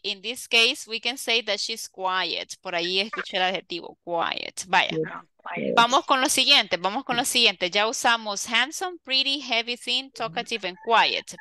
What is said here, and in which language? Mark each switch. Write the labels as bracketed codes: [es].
[en] In this case, we can say that she's quiet. [es] Por ahí escuché el adjetivo, quiet. Vaya. Vamos con lo siguiente, vamos con lo siguiente. Ya usamos handsome, pretty, heavy, thin, talkative, and quiet.